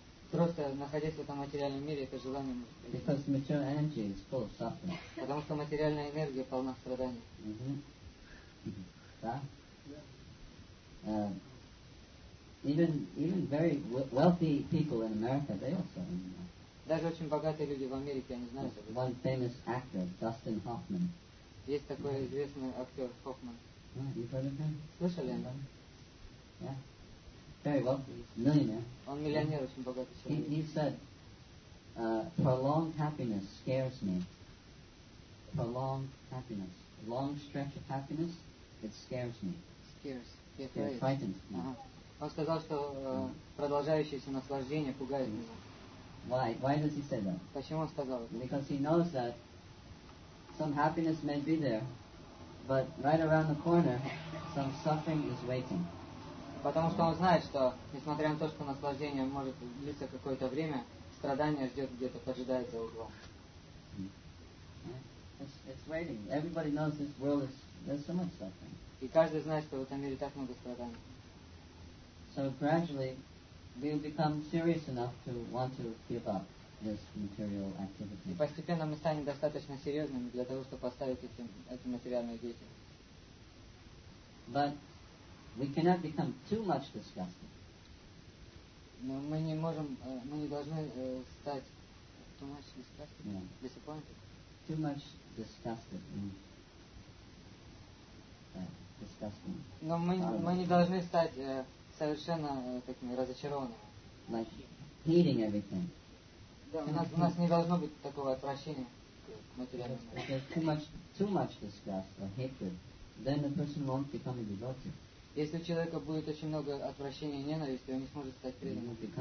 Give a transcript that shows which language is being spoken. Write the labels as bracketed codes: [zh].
[ru] Просто находясь в этом материальном мире, это желание может быть. [en] Because material energy is full of suffering. [ru] Потому что материальная энергия полна страданий. Да? [en] Even very wealthy people in America, they also know. [ru] Даже очень богатые люди в Америке, они знают. [en] One famous actor, Dustin Hoffman. [ru] Есть такой известный актер Хоффман. [en] You've heard of him? [ru] Слышали о нем? [en] Very wealthy, millionaire. [ru] Он миллионер, очень богатый человек. [en] He said, "Prolonged happiness scares me. Prolonged happiness, long stretch of happiness, it scares me. Scares. It frightens me." Uh-huh. [ru] Он сказал, что продолжающееся наслаждение пугает меня. [en] Why does he say that? [ru] Почему он сказал это? [en] Because he knows that some happiness may be there, but right around the corner, some suffering is waiting. [ru] Потому что он знает, что, несмотря на то, что наслаждение может длиться какое-то время, страдание ждет где-то, поджидает за углом. [en] It's waiting. Everybody knows this world is, there's so much suffering. [ru] И каждый знает, что в этом мире так много страданий. [en] So gradually, we'll become serious enough to want to give up this material activity. [ru] И постепенно мы станем достаточно серьезными для того, чтобы оставить эту материальную деятельность. [en] But we cannot become too much disgusted. [ru] Но мы не можем, мы не должны стать [en] too much disgusted. Yeah. Disappointed. Too much disgusted. Disgusting. [ru] Но мы не должны стать совершенно такими разочарованными. [en] Like hating everything. [ru] Да, у нас не должно быть такого отвращения к материальному. [en] If there's too much disgust or hatred, then the person won't become a devotee. [ru] Если у человека будет очень много отвращения и ненависти, он не сможет стать преданным.